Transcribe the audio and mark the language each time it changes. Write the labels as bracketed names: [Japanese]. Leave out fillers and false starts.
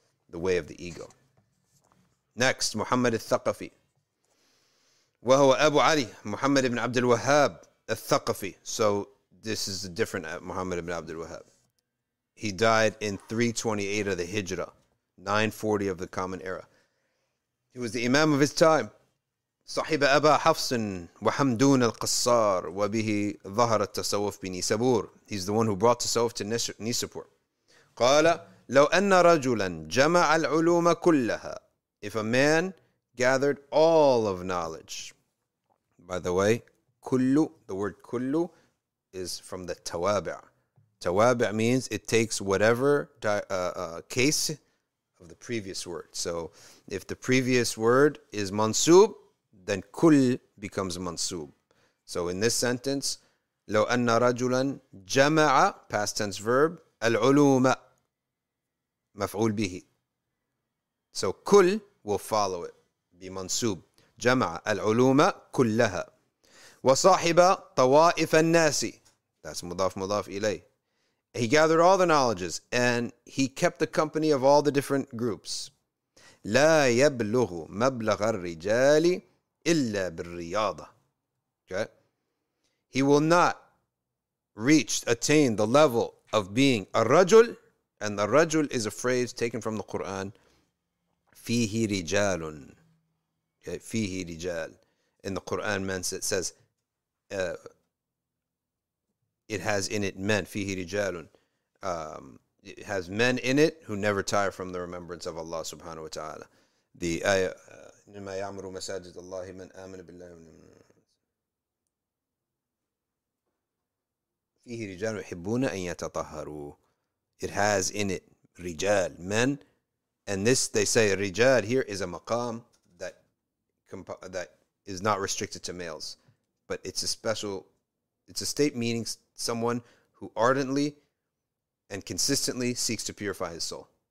[English] The way of the ego. Next, Muhammad al-Thaqafi. [Arabic] وَهُوَ أَبُو عَلِي. [English] Muhammad ibn Abdul Wahhab al-Thaqafi. So this is a different Muhammad ibn Abdul Wahhab. He died in 328 of the Hijrah, 940 of the Common Era. He was the Imam of his time. [Arabic] صحب أبا حفص وحمدون القصار وبه ظهر التصوف بنيسابور. [English] He's the one who brought tasawuf to Nisapur. [Arabic] قال لو أن رجلا جمع العلوم كلها. [English] If a man gathered all of knowledge. By the way, كلو, the word كلو is from the توابع. توابع means it takes whatever case of the previous word. So if the previous word is mansub, then kul becomes mansub. So in this sentence, [Arabic] لو أن رجلا جمع, [English] past tense verb, [Arabic] العلوم مفعول به. [English] So kul will follow it, be mansub. [Arabic] جمع العلوم كلها. وصاحب طوائف الناس. That's مضاف مضاف إليه. [English] He gathered all the knowledges and he kept the company of all the different groups. [Arabic] لا يبلغ مبلغ الرجال إلا بالرياضة. [English] Okay. He will not reach, attain the level of being a rajul. And the rajul is a phrase taken from the Quran. [Arabic] فيه رجال. Okay. فيه رجال. [English] In the Quran, man says, it has in it men, [Arabic] فيه رجال. [English] It has men in it who never tire from the remembrance of Allah subhanahu wa ta'ala. [Arabic] The ayah, إِنَّمَا يَعْمُرُ مَسَاجِدَ اللَّهِ مَنْ آمَنَ بِاللَّهِ فِيهِ رِجَالٌ يُحِبُّونَ أَنْ يَتَطَهَّرُوا. [English] It has in it رجال, men. And this, they say, رجال here is a maqam that is not restricted to males. But it's a special, it's a state meaning someone who ardently and consistently seeks to purify his soul.